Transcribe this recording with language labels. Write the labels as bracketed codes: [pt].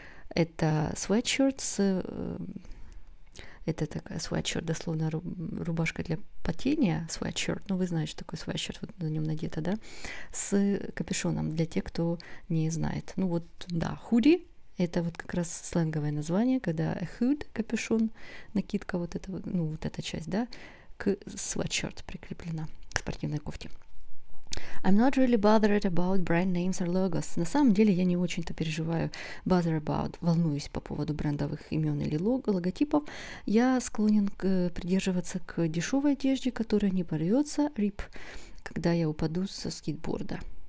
[ru] Это sweatshirt, это такая sweatshirt, дословно рубашка для потения, sweatshirt, ну вы знаете, что такое sweatshirt, вот на нем надето, да, с капюшоном, для тех, кто не знает. Ну вот, да, худи, это вот как раз сленговое название, когда a hood, капюшон, накидка вот эта, ну вот эта часть, да, к sweatshirt прикреплена, к спортивной кофте. [en] I'm not really bothered about brand names or logos. [ru] На самом деле я не очень-то переживаю bother about, волнуюсь по поводу брендовых имен или логотипов. Я склонен придерживаться к дешевой одежде, которая не порвется, rip, когда я упаду со скейтборда.